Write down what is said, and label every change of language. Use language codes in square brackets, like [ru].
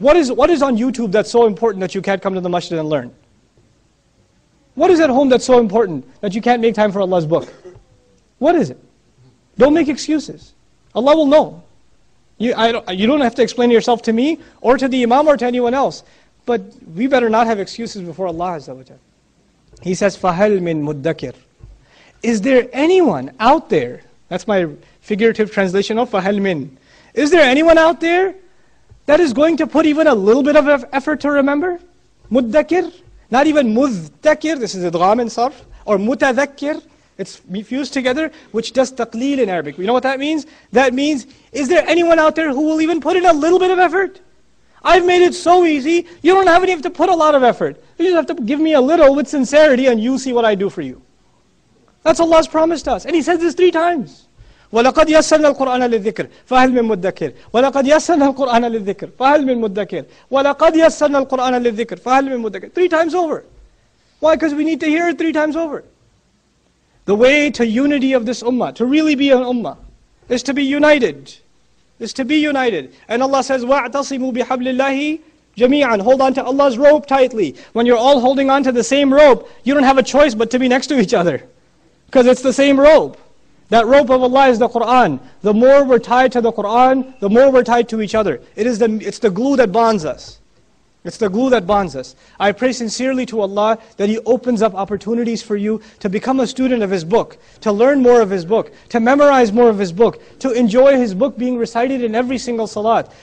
[en] What is on YouTube that's so important that you can't come to the masjid and learn? What is at home that's so important that you can't make time for Allah's book? What is it? Don't make excuses. Allah will know. You don't have to explain yourself to me or to the imam or to anyone else. But we better not have excuses before Allah Azza wa Jalla. He says, [ar] فَهَلْ مِن مُدَّكِرٍ. [en] Is there anyone out there? That's my figurative translation of [ar] فَهَلْ مِن. [en] Is there anyone out there that is going to put even a little bit of effort to remember? [ar] مُدَّكِر. [en] Not even مُذْتَكِر. This is إِدْغَامِ صَرْف. Or مُتَذَكِّر. It's fused together, which does taqleel in Arabic. You know what that means? That means, is there anyone out there who will even put in a little bit of effort? I've made it so easy, you don't even have to put a lot of effort. You just have to give me a little with sincerity and you see what I do for you. That's Allah's promise to us. And He says this 3 times. [ar] وَلَقَدْ يَسَّرْنَا الْقُرْآنَ لِلذِّكْرِ فَهَلْ مِن مُدَّكِرٍ. وَلَقَدْ يَسَّرْنَا الْقُرْآنَ لِلذِّكْرِ فَهَلْ مِن مُدَّكِرٍ. وَلَقَدْ يَسَّرْنَا الْقُرْآنَ لِلذِّكْرِ فَهَلْ مِن مُدَّكِرٍ. [en] 3 times over. Why? Because we need to hear it 3 times over. The way to unity of this ummah, to really be an ummah, is to be united. Is to be united. And Allah says, [ar] وَاعْتَصِمُوا بِحَبْلِ اللَّهِ جَمِيعًا. [en] Hold on to Allah's rope tightly. When you're all holding on to the same rope, you don't have a choice but to be next to each other. Because it's the same rope. That rope of Allah is the Qur'an. The more we're tied to the Qur'an, the more we're tied to each other. It's the glue that bonds us. It's the glue that bonds us. I pray sincerely to Allah that He opens up opportunities for you to become a student of His book, to learn more of His book, to memorize more of His book, to enjoy His book being recited in every single salat.